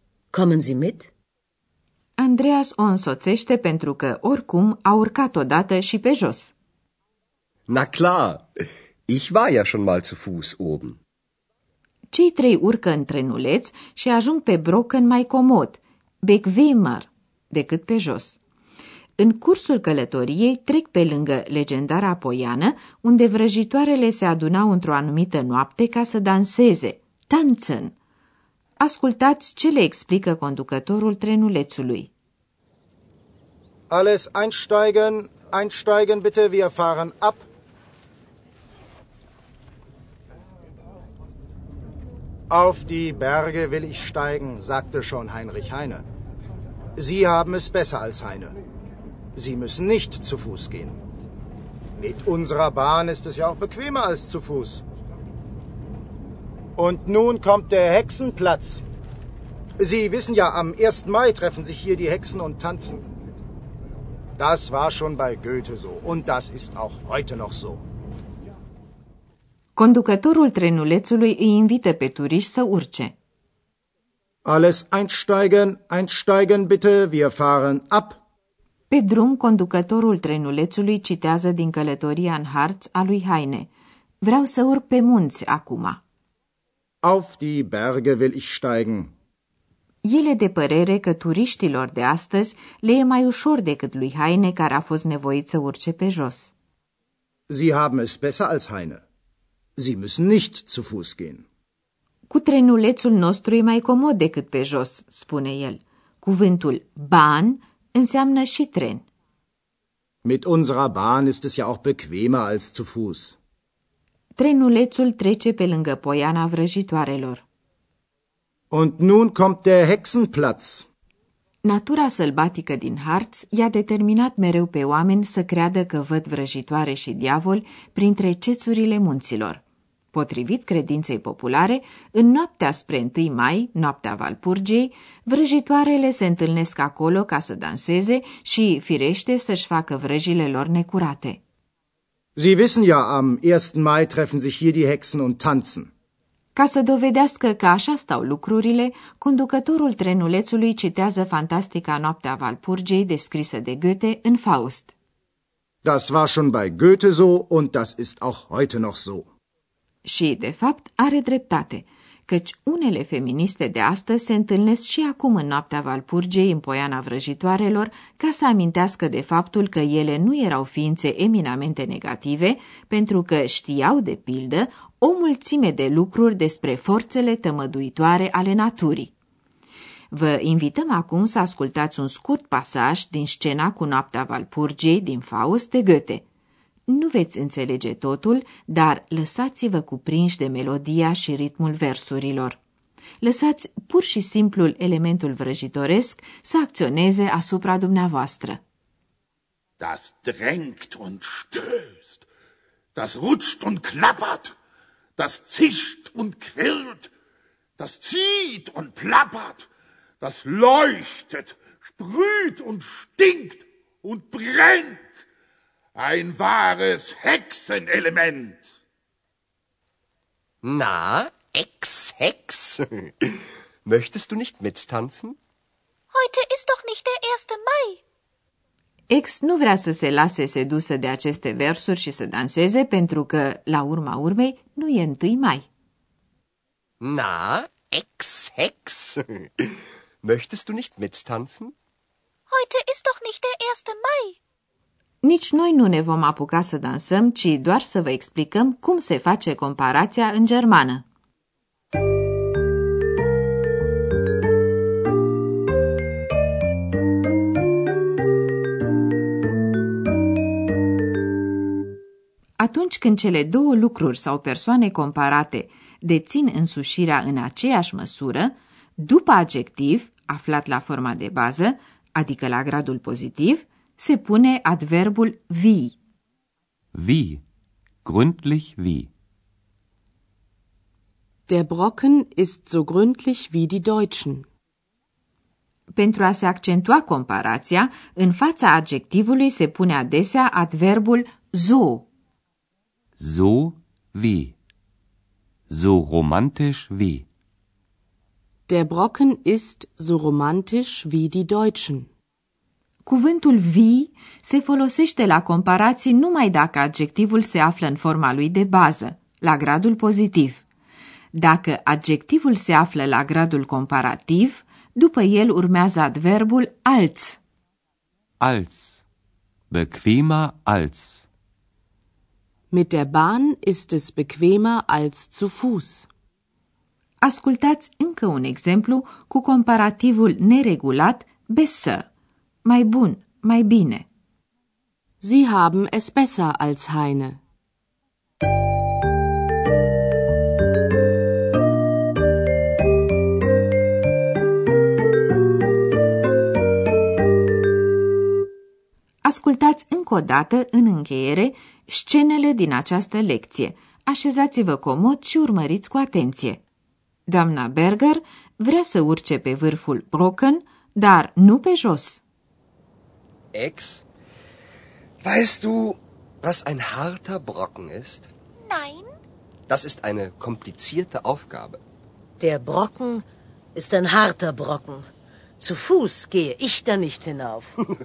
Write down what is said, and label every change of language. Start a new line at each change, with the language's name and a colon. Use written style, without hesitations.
German: Kommen Sie mit?
Romanian: Andreas o însoțește pentru că oricum a urcat odată și pe jos.
German: Na klar, ich war ja schon mal zu Fuß oben.
Romanian: Cei trei urcă în trenuleț și ajung pe Brocken mai comod, bequemer, decât pe jos. În cursul călătoriei trec pe lângă legendara poiană, unde vrăjitoarele se adunau într-o anumită noapte ca să danseze, tanzen. Ascultați ce le explică conducătorul trenulețului.
German: Alles einsteigen, einsteigen bitte, wir fahren ab. Auf die Berge will ich steigen, sagte schon Heinrich Heine. Sie haben es besser als Heine. Sie müssen nicht zu Fuß gehen. Mit unserer Bahn ist es ja auch bequemer als zu Fuß. Und nun kommt der Hexenplatz. Sie wissen ja, am 1. Mai treffen sich hier die Hexen und tanzen. Das war schon bei Goethe so und das ist auch heute noch so.
Romanian: Conducătorul trenulețului îi invită pe turiști să urce.
German: Alles einsteigen, einsteigen bitte, wir fahren ab.
Romanian: Pe drum, conducătorul trenulețului citează din Călătoria în Harți a lui Heine. Vreau să urc pe munți acum.
German: Auf die Berge will ich steigen.
Romanian: El e de părere că turiștilor de astăzi le e mai ușor decât lui Heine, care a fost nevoit să urce pe jos.
German: Sie haben es besser als Heine. Sie müssen nicht zu Fuß gehen.
Romanian: Cu trenulețul nostru e mai comod decât pe jos, spune el. Cuvântul Bahn înseamnă și tren.
German: Mit unserer Bahn ist es ja auch bequemer als zu Fuß.
Romanian: Trenulețul trece pe lângă poiana vrăjitoarelor.
German: Und nun kommt der Hexenplatz.
Romanian: Natura sălbatică din Harz i-a determinat mereu pe oameni să creadă că văd vrăjitoare și diavol printre cețurile munților. Potrivit credinței populare, în noaptea spre 1 mai, noaptea Valpurgiei, vrăjitoarele se întâlnesc acolo ca să danseze și, firește, să-și facă vrăjile lor necurate.
German: Sie wissen ja, am 1. Mai treffen sich hier die Hexen und tanzen.
Romanian: Ca să dovedească că așa stau lucrurile, conducătorul trenulețului citează fantastica Noaptea Valpurgiei descrisă de Goethe în Faust.
German: Das war schon bei Goethe so und das ist auch heute noch so.
Romanian: Și, de fapt, are dreptate, căci unele feministe de astăzi se întâlnesc și acum în Noaptea Valpurgiei în Poiana Vrăjitoarelor ca să amintească de faptul că ele nu erau ființe eminamente negative, pentru că știau, de pildă, o mulțime de lucruri despre forțele tămăduitoare ale naturii. Vă invităm acum să ascultați un scurt pasaj din scena cu Noaptea Valpurgiei din Faust de Goethe. Nu veți înțelege totul, dar lăsați-vă cuprinși de melodia și ritmul versurilor. Lăsați pur și simplu elementul vrăjitoresc să acționeze asupra dumneavoastră.
German: Das drängt und stößt, das rutscht und klappert, das zischt und quillt, das zieht und plappert, das leuchtet, sprüht und stinkt und brennt. Ein wahres Hexenelement. Na, Ex, Hex, möchtest du nicht mittanzen? Heute ist doch nicht der 1. Mai.
Romanian: Ex nu vrea să se lase sedusă de aceste versuri și să danseze pentru că, la urma urmei, nu e 1 mai.
German: Na, Ex, Hex, möchtest du nicht mittanzen? Heute ist doch nicht der 1. Mai.
Romanian: Nici noi nu ne vom apuca să dansăm, ci doar să vă explicăm cum se face comparația în germană. Atunci când cele două lucruri sau persoane comparate dețin însușirea în aceeași măsură, după adjectiv, aflat la forma de bază, adică la gradul pozitiv, se pune adverbul wie.
German: Wie. Gründlich wie. Der Brocken ist so gründlich wie die Deutschen.
Romanian: Pentru a se accentua comparația, în fața adjectivului se pune adesea adverbul so.
German: So wie. So romantisch wie. Der Brocken ist so romantisch wie die Deutschen.
Romanian: Cuvântul wie se folosește la comparații numai dacă adjectivul se află în forma lui de bază, la gradul pozitiv. Dacă adjectivul se află la gradul comparativ, după el urmează adverbul als.
German: Als. Bequemer als. Mit der Bahn ist es bequemer als zu Fuß.
Romanian: Ascultați încă un exemplu cu comparativul neregulat besser. Mai bun, mai bine.
German: Sie haben es besser als Heine.
Romanian: Ascultați încă o dată, în încheiere, scenele din această lecție. Așezați-vă comod și urmăriți cu atenție. Doamna Berger vrea să urce pe vârful Brocken, dar nu pe jos.
German: Ex, weißt du, was ein harter Brocken ist? Nein. Das ist eine komplizierte Aufgabe. Der Brocken ist ein harter Brocken. Zu Fuß gehe ich da nicht hinauf.